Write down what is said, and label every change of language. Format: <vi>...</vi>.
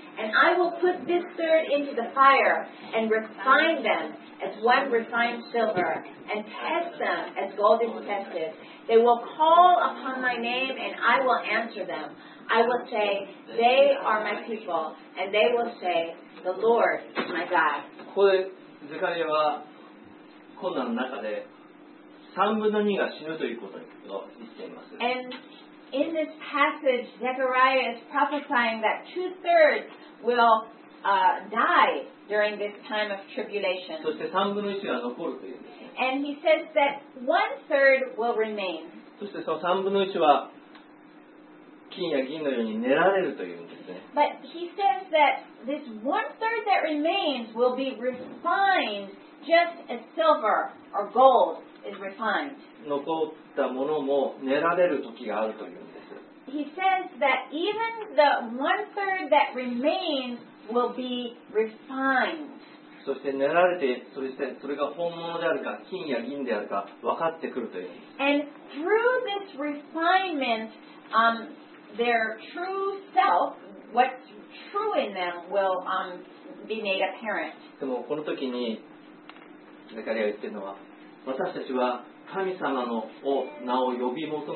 <en>And I will put this third into the fire, and refine them. As one refines silver, and test them as gold is tested. They will call upon my name, and I will answer them. I will say, they are my people, and they will say, the Lord is my God.</en> <ja>Here, Zechariah は困難の中で3分の2が死ぬということを言っています。</ja> <en>And in this passage, Zechariah is prophesying that two-thirds will die during this time of tribulation.</en> <ja>そして三分の一が残るという。</ja> <en>And he says that one-third will remain.</en> <ja>そしてその三分の一は金や銀のように練られるというんですね。</ja> <en>But he says that this one-third that remains will be refined just as silver or gold is refined.</en> <ja>残ったものも練られる時があるというんです。</ja> <en>He says that even the one-third that remains will be refined.</en> <ja>そして練られて、そしてそれが本物であるか、金や銀であるか分かってくるというんです。</ja> <en>And through this refinement, their true self, what's true in them, will be made apparent.</en> <ja>でもこの時に、ゼカリアが言ってるのは、私たちは神様の名を呼び求め</ja>